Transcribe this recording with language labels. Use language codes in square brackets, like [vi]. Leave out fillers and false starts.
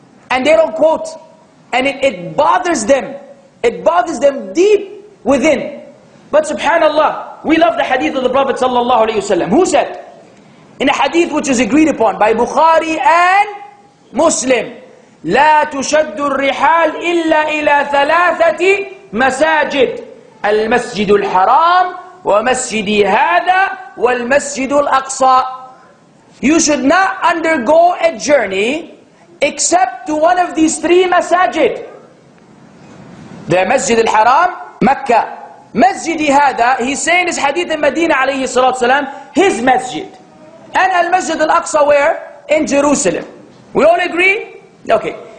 [en] And they don't quote. And it bothers them. It bothers them deep within. But subhanallah, we love the hadith of the Prophet sallallahu alayhi wasallam. Who said? In a hadith which is agreed upon by Bukhari and Muslim. [ar] لا تشد الرحال إلا إلى ثلاثة مساجد. المسجد الحرام ومسجدي هذا والمسجد الأقصى. [en] You should not undergo a journey except to one of these three masajid. The Masjid al-Haram, Mecca. Masjidi hada, he's saying this hadith in Medina alayhi salatu wasalam, his masjid. And al-Masjid al-Aqsa where? In Jerusalem. We all agree? Okay.